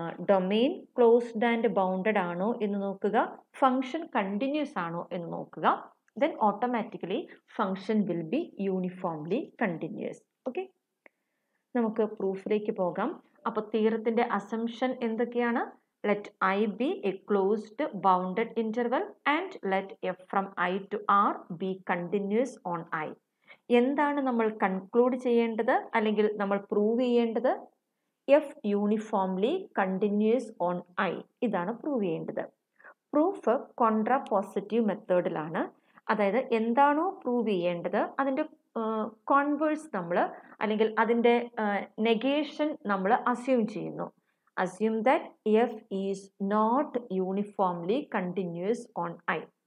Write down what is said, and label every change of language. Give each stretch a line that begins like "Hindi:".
Malayalam: Domain closed and bounded ആണോ എന്ന് നോക്കുക, ഫംഗ്ഷൻ കണ്ടിന്യൂസ് ആണോ എന്ന് നോക്കുക.
English: Then automatically function will be uniformly continuous.
Malayalam: Okay, നമുക്ക് പ്രൂഫിലേക്ക് പോകാം. അപ്പോൾ തിയറത്തിൻ്റെ അസംഷൻ എന്തൊക്കെയാണ്?
English: Let I be a closed bounded interval and let f from I to R be continuous on I.
Malayalam: എന്താണ് നമ്മൾ കൺക്ലൂഡ് ചെയ്യേണ്ടത് അല്ലെങ്കിൽ നമ്മൾ പ്രൂവ് ചെയ്യേണ്ടത്?
English: F uniformly continuous on I.
Malayalam: ഇതാണ് പ്രൂവ് ചെയ്യേണ്ടത്. Proof contra positive മെത്തേഡിലാണ്. അതായത് എന്താണോ പ്രൂവ് ചെയ്യേണ്ടത് അതിൻ്റെ കോൺവേഴ്സ് നമ്മൾ, അല്ലെങ്കിൽ അതിൻ്റെ നെഗേഷൻ നമ്മൾ അസ്യൂം ചെയ്യുന്നു.
English: Assume that f is not uniformly continuous on I.